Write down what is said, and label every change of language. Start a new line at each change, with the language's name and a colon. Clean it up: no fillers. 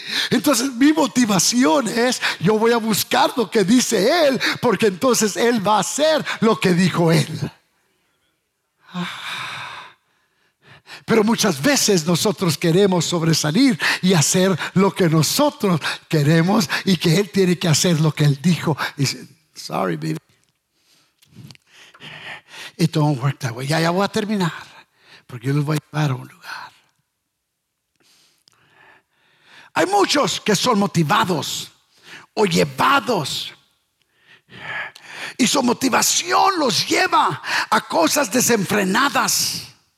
Spanish: Entonces mi motivación es: yo voy a buscar lo que dice Él, porque entonces Él va a hacer lo que dijo Él. Pero muchas veces nosotros queremos sobresalir y hacer lo que nosotros queremos, y que Él tiene que hacer lo que Él dijo. Y dice:
English: sorry, baby, it don't work that way.
Spanish: Ya voy a terminar, porque yo los voy a llevar a un lugar. Hay muchos que son motivados o llevados, y su motivación los lleva a cosas desenfrenadas.